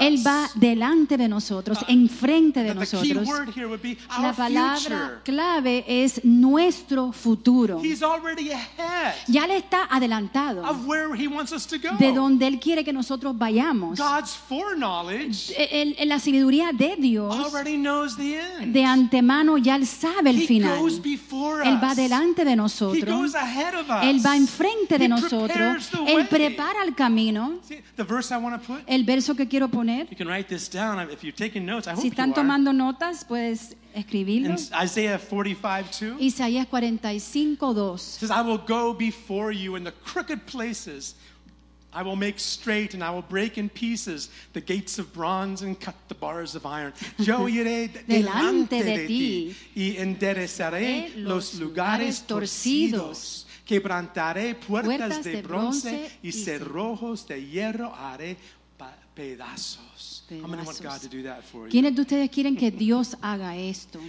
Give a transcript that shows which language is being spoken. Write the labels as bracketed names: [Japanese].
[Spanish] Él va delante de nosotros, enfrente de nosotros. [English] The key word here would be our future. [Spanish] La palabra clave es nuestro futuro. [English] He's already ahead. [Spanish] Ya le está adelantado. [English] Of where he wants us to go. [Spanish] De donde él quiere que nosotros vayamos. [English] God's foreknowledge. [Spanish] La sabiduría de Dios. [English] Already knows the end. [Spanish] De antemano ya él sabe el final. [English] He goes before us. [Spanish] Él va delante de nosotros. [English] He goes ahead of us. [Spanish] Él va enfrente de [English] he [Spanish] nosotros. [English] Prepares the way. [Spanish] Él prepara el camino. [English] See, the verse I want to put, [Spanish] el verso que quiero poner. [English] You can write this down if you're taking notes. I hope [Spanish] si están [English] you [Spanish] tomando [English] are. [Spanish] Notas, puedes escribirlo. [English] In Isaiah 45:2. [Spanish] Isaías 45:2. [English] It says, "I will go before you in the crooked places. I will make straight and I will break in pieces the gates of bronze and cut the bars of iron. [Spanish] Yo iré delante de ti y enderezaré los lugares torcidos. Quebrantaré puertas de bronce y cerrojos de hierro haré pedazos." [English] How many want God to do that for you? [Spanish] ¿Quiénes de ustedes quieren que Dios haga esto?